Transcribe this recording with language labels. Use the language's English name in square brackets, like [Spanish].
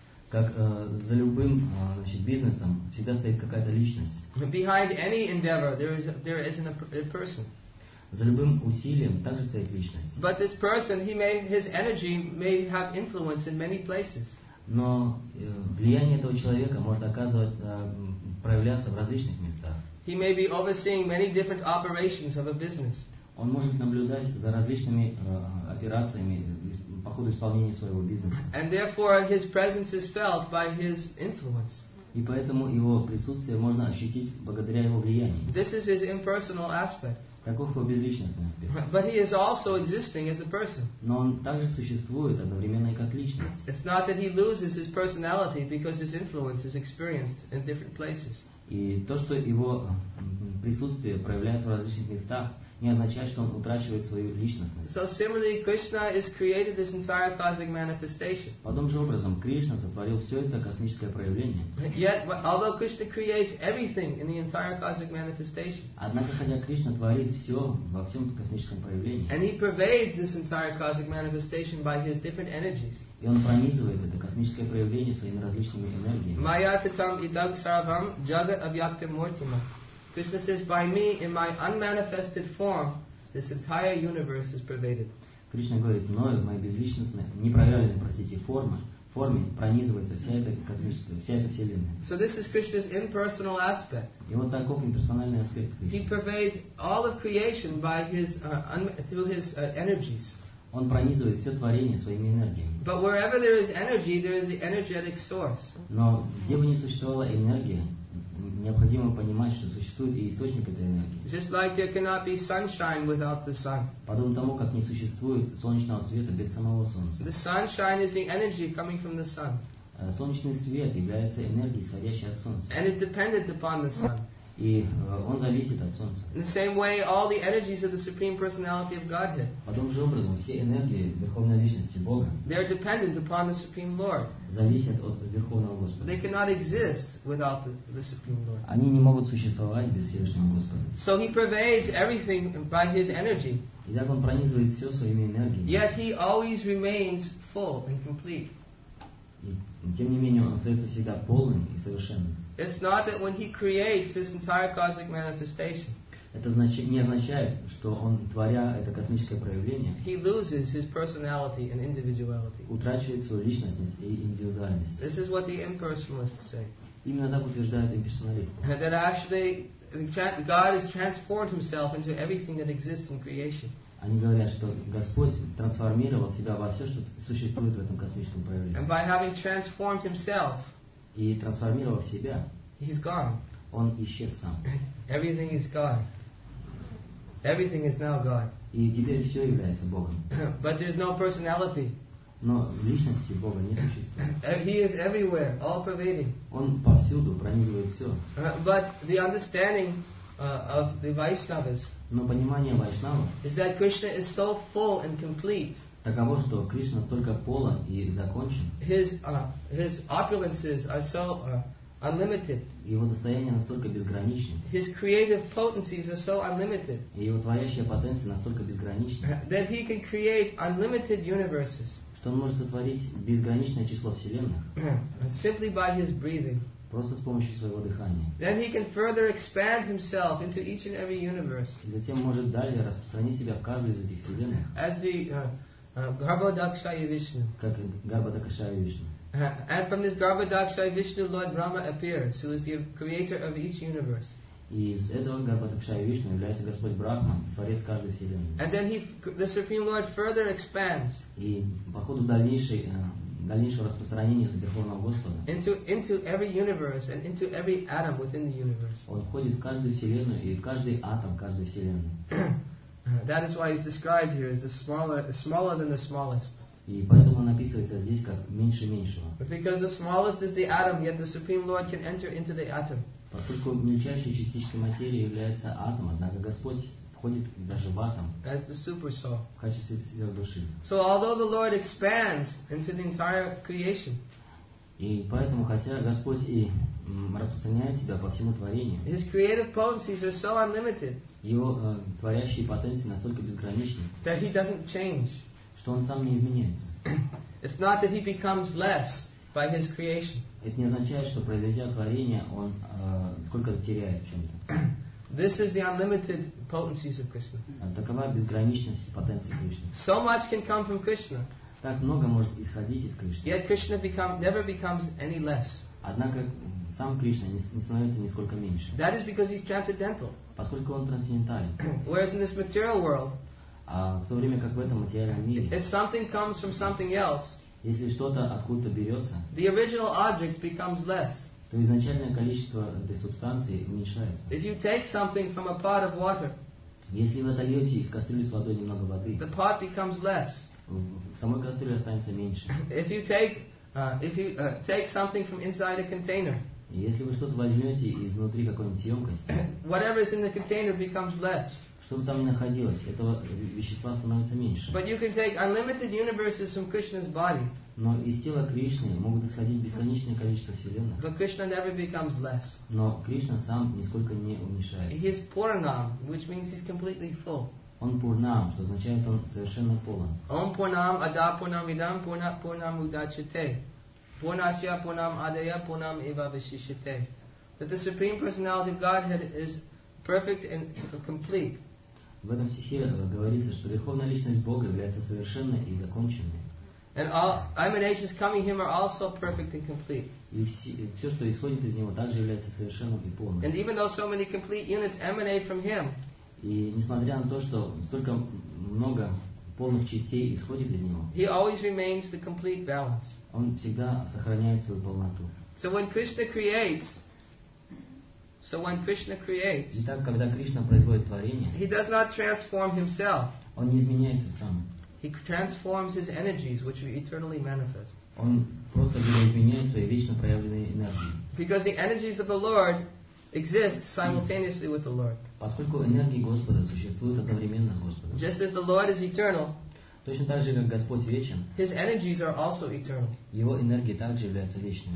[Russian] Как за любым бизнесом всегда стоит какая-то личность. [English] Behind any endeavor, there is a person. [Russian] За любым усилием также стоит личность. [English] But this person, his energy may have influence in many places. [Russian] Но влияние этого человека может оказывать, проявляться в различных местах. [English] He may be overseeing many different operations of a business. [Russian] Он может наблюдать за различными операциями по ходу исполнения своего бизнеса. [English] And therefore his presence is felt by his influence. [Russian] И поэтому его присутствие можно ощутить благодаря его влиянию. [English] This is his impersonal aspect. [Russian] Таков его безличностный аспект. [English] But he is also existing as a person. [Russian] Но он также существует одновременно и как личность. [English] It's not that he loses his personality because his influence is experienced in different places. [Russian] И то, что его присутствие проявляется в различных местах, не означает, что он утрачивает свою личностность. [English] So similarly, Krishna has created this entire cosmic manifestation. [Russian] Подобным же образом, Кришна сотворил все это космическое проявление. [English] Yet, although Krishna creates everything in the entire cosmic manifestation. [Russian] Однако, хотя Кришна творит все во всем космическом проявлении. [English] And he pervades this entire cosmic manifestation by his different energies. [Russian] И он пронизывает это космическое проявление своими различными энергиями. [Sanskrit] Mayatitam idag sarvam jagat avyaktam murtimah. [English] Krishna says, by me, in my unmanifested form, this entire universe is pervaded. [Russian] Кришна говорит, мною, в моей безличностной, непроявленной, простите, форме пронизывается вся эта вселенная. [English] So this is Krishna's impersonal aspect. [Russian] И вот таков имперсональный аспект [English] Кришны. He pervades all of creation by his through his energies. [Russian] Он пронизывает все творение своими энергиями. [English] But wherever there is energy, there is the energetic source. [Russian] Но где бы ни существовала энергия, необходимо понимать, что существует и источник этой энергии. [English] Just like there cannot be sunshine without the sun. [Russian] Подобно тому, как не существует солнечного света без самого солнца. [English] The sunshine is the energy coming from the sun. [Russian] Солнечный свет является энергией, исходящей от солнца. [English] And is dependent upon the sun. [Russian] И он зависит от солнца. [English] In the same way, all the energies of the supreme personality of Godhead. [Russian] Подобным же образом, все энергии верховной личности Бога. [English] They are dependent upon the supreme Lord. [Russian] Зависят от верховного Господа. [English] They cannot exist without the supreme Lord. [Russian] Они не могут существовать без Всевышнего Господа. [English] So he pervades everything by his energy. [Russian] И так он пронизывает все своими энергиями. [English] Yet he always remains full and complete. [Russian] И тем не менее он остается всегда полным и совершенным. [English] It's not that when he creates this entire cosmic manifestation. [Russian] Это не означает, что он, творя это космическое проявление, [English] he loses his personality and individuality. [Russian] Утрачивает свою личностность и индивидуальность. [English] This is what the impersonalists say. [Russian] Именно так утверждают имперсоналисты. [English] That actually God has transformed himself into everything that exists in creation. [Russian] Они говорят, что Господь трансформировал себя во все, что существует в этом космическом проявлении. [English] And by having transformed himself, [Russian] и трансформировав себя, [English] he's gone. [Russian] Он исчез сам. [English] Everything is God. Everything is now God. [Russian] И теперь все является Богом. [English] But there's no personality. [Russian] Но личности Бога не существует. [English] He is everywhere, all pervading. [Russian] Он повсюду, пронизывает все. [English] But the understanding of the Vaishnavas. [Russian] Но понимание вайшнавов. [English] Is that Krishna is so full and complete. [Russian] Таково, что Кришна настолько полон и закончен. [English] His opulences are so unlimited. [Russian] Его достояние настолько безграничны. [English] His creative potencies are so unlimited. [Russian] Его творящая потенция настолько безгранична. [English] That he can create unlimited universes. [Russian] Что он может сотворить безграничное число вселенных. [English] Simply by his breathing. [Russian] Просто с помощью своего дыхания. [English] Then he can further expand himself into each and every universe. [Russian] И затем может далее распространить себя в каждую из этих вселенных. [English] As the Garbhodakshaya Vishnu. [Russian] Как Garbhodakshaya Vishnu. [English] And from this Garbhodakshaya Vishnu, Lord Brahma appears, who is the creator of each universe. [Russian] И из этого Garbhodakshaya Vishnu является Господь Брахма, творец каждой вселенной. [English] And then the Supreme Lord further expands. [Russian] И по ходу дальнейшего распространения Верховного Господа. [English] Into every universe and into every atom within the universe. [Russian] Он входит в каждую вселенную и в каждый атом каждой вселенной. [English] That is why he's described here as smaller than the smallest. [Russian] И поэтому он описывается здесь как меньше меньшего. [English] Because the smallest is the atom, yet the Supreme Lord can enter into the atom. [Russian] Поскольку мельчайшей частичкой материи является атом, однако Господь входит даже в атом. [English] As the super soul. [Russian] В качестве сверхдуши. [English] So although the Lord expands into the entire creation. [Russian] И поэтому хотя Господь и распространяет себя по всему творению. [English] His creative potencies are so unlimited. [Russian] Его творящие потенции настолько безграничны. [English] That he doesn't change. [Russian] Что он сам не изменяется. [English] It's not that he becomes less by his creation. [Russian] Это не означает, что произойдя творение, он сколько-то теряет в чем-то. [English] This is the unlimited potencies of Krishna. [Russian] Такова безграничность потенции Кришны. [English] So much can come from Krishna. [Russian] Так много может исходить из Кришны. [English] Yet Krishna never becomes any less. [Russian] Однако сам Кришна не становится нисколько меньше. [English] That is because he's transcendental. [Russian] Поскольку он трансцендентален. [English] Whereas in this material world. [Russian] А в то время как в этом материальном мире. [English] If something comes from something else. [Russian] Если что-то откуда-то берется. [English] The original object becomes less. [Russian] То изначальное количество этой субстанции уменьшается. [English] If you take something from a pot of water. [Russian] Если вы отольете из кастрюли с водой немного воды. [English] The pot becomes less. [Russian] В самой кастрюле останется меньше. [English] If you take something from inside a container. [Russian] Если вы что-то возьмете изнутри какой-нибудь емкости. [English] Whatever is in the container becomes less. [Russian] Что бы там ни находилось, этого вещества становится меньше. [English] But you can take unlimited universes from Krishna's body. [Russian] Но из тела Кришны могут исходить бесконечное количество вселенных. [English] But Krishna never becomes less. [Russian] Но Кришна сам нисколько не уменьшается. [English] He is Purnam, which means he's completely full. [Russian] Он Пурнам, что означает он совершенно полон. [Sanskrit] Ом Пурнам Ада Пурнам Идам Пурна Пурнам Удачите. Пурнасья Пурнам Адая Пурнам Ива Вишишите. [English] That the Supreme Personality of Godhead is perfect and complete. [Russian] В этом стихе говорится, что Верховная Личность Бога является совершенной и законченной. [English] And all emanations coming from him are also perfect and complete. [Russian] И все, что исходит из него, также является совершенным и полным. [English] And even though so many complete units emanate from him. [Russian] И несмотря на то, что столько много полных частей исходит из него. [English] He always remains the complete balance. [Russian] Он всегда сохраняет свою полноту. [English] So when Krishna creates. [Russian] Итак, когда Кришна производит творение. [English] He does not transform himself. [Russian] Он не изменяется сам. [English] He transforms his energies, which are eternally manifest. [Russian] Он просто видоизменяет свои вечно проявленные энергии. [English] Because the energies of the Lord exist simultaneously with the Lord. [Russian] Поскольку энергии Господа существуют одновременно с Господом. [English] Just as the Lord is eternal. [Russian] Точно так же, как Господь вечен. [English] His energies are also eternal. [Russian] Его энергии также являются вечными.